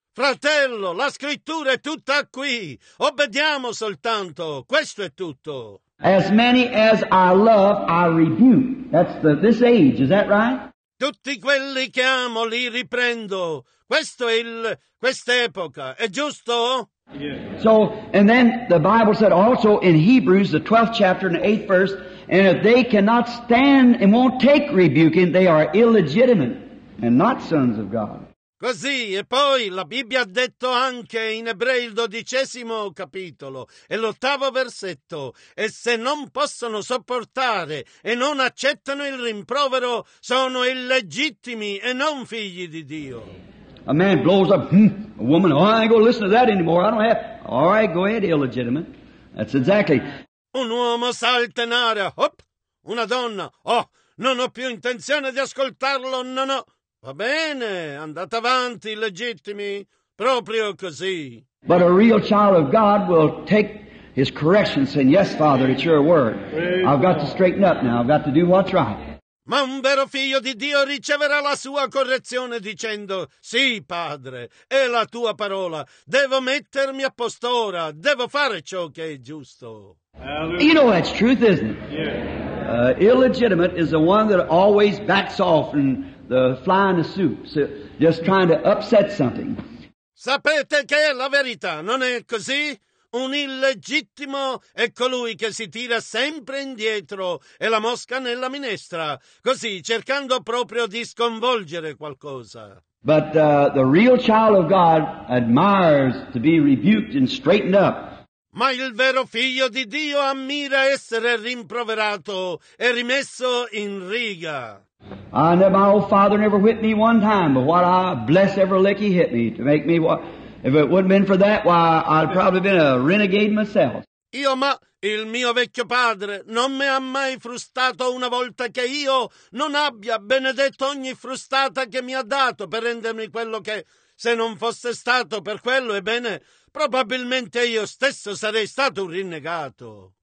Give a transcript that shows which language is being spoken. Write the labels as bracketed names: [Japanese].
[Italian] Fratello, la scrittura è tutta qui. Obbediamo soltanto. Questo è tutto. [English] As many as I love, I rebuke. That's this age, is that right? [Italian] Tutti quelli che amo li riprendo. Questo è il quest'epoca, è giusto? [English] Yeah. So, and then the Bible said also in Hebrews, the 12th chapter and the 8th verse, and if they cannot stand and won't take rebuking, they are illegitimate and not sons of God. [Italian] Così, e poi la Bibbia ha detto anche in Ebrei il 12° capitolo e l'8° versetto, e se non possono sopportare e non accettano il rimprovero, sono illegittimi e non figli di Dio. [English] A man blows up, a woman, oh, I ain't gonna listen to that anymore, I don't have... All right, go ahead, illegitimate. That's exactly... [Italian] Un uomo salta in aria, hop, una donna, oh, non ho più intenzione di ascoltarlo, non ho... Va bene, andate avanti, illegittimi, proprio così. [English] But a real child of God will take his correction, saying, yes, Father, it's your word. I've got to straighten up now, I've got to do what's right. [Italian] Ma un vero figlio di Dio riceverà la sua correzione dicendo, sì, Padre, è la tua parola, devo mettermi a posto ora, devo fare ciò che è giusto. [English] You know that's truth, isn't it? Yeah. Illegitimate is the one that always backs off and the fly in the soup, so just trying to upset something. [Italian] Sapete che è la verità, non è così? Un illegittimo è colui che si tira sempre indietro e la mosca nella minestra, così cercando proprio di sconvolgere qualcosa. [English] But the real child of God admires to be rebuked and straightened up. [Italian] Ma il vero figlio di Dio ammira essere rimproverato e rimesso in riga. [English] I know my old father never whipped me one time, but what I bless every lick he hit me to make me what. If it wouldn't have been for that, why, I'd probably been a renegade myself. [Italian] Io, ma il mio vecchio padre non mi ha mai frustato una volta che io non abbia benedetto ogni frustata che mi ha dato per rendermi quello che, se non fosse stato per quello, ebbene, probabilmente io stesso sarei stato un rinnegato.